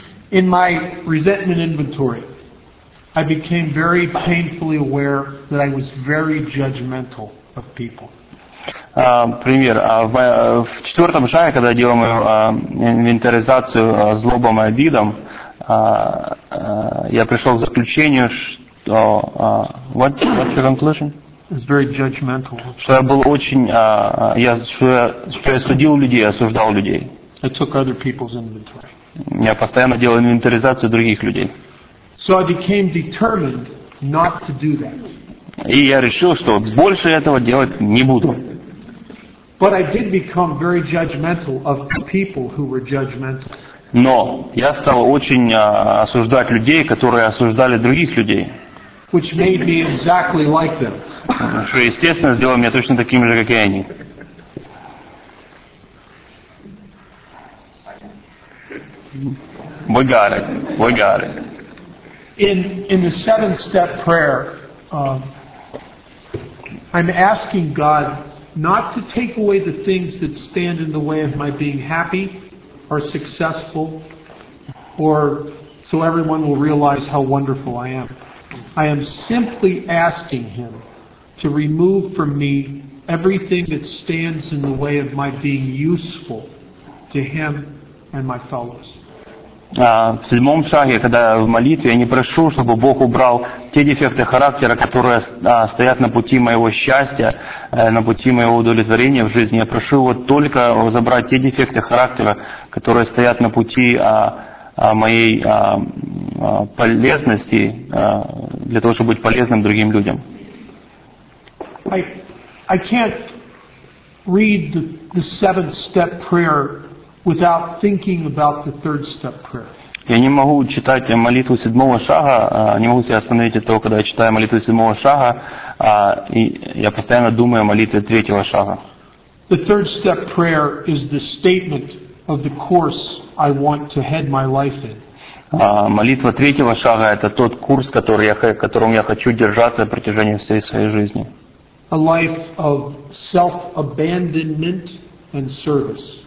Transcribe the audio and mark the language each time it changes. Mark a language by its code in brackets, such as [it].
[en] In my resentment inventory, I became very painfully aware that I was very judgmental of people. [ru] Пример. В четвертом шаге, когда делаем инвентаризацию злобам и обидам, я пришел к заключению, что... [en] What's your conclusion? was very judgmental. [ru] Что я был очень, я судил людей, осуждал людей. [en] I took other people's inventory. [ru] Я постоянно делал инвентаризацию других людей. [en] So I became determined not to do that. [ru] И я решил, что больше этого делать не буду. [en] But I did become very judgmental of people who were judgmental. [ru] Но я стал очень осуждать людей, которые осуждали других людей. [en] Which made me exactly like them. [ru] Что, естественно, сделало меня точно таким же, как и они. [en] We got it. In the seventh step prayer, I'm asking God not to take away the things that stand in the way of my being happy or successful, or so everyone will realize how wonderful I am. I am simply asking Him to remove from me everything that stands in the way of my being useful to Him and my fellows. [ru] В седьмом шаге, когда в молитве, я не прошу, чтобы Бог убрал те дефекты характера, которые стоят на пути моего счастья, на пути моего удовлетворения в жизни. Я прошу его только забрать те дефекты характера, которые стоят на пути моей полезности, для того, чтобы быть полезным другим людям. [en] I can't read the seventh step prayer without thinking about the third step prayer. [ru] Я не могу читать молитву седьмого шага, не могу себя остановить от того, когда я читаю молитву седьмого шага, и я постоянно думаю о молитве третьего шага. [en] The third step prayer is the statement of the course I want to head my life in. [ru] Молитва третьего шага — это тот курс, которым я хочу держаться на протяжении всей своей жизни. [en] A life of self-abandonment and service.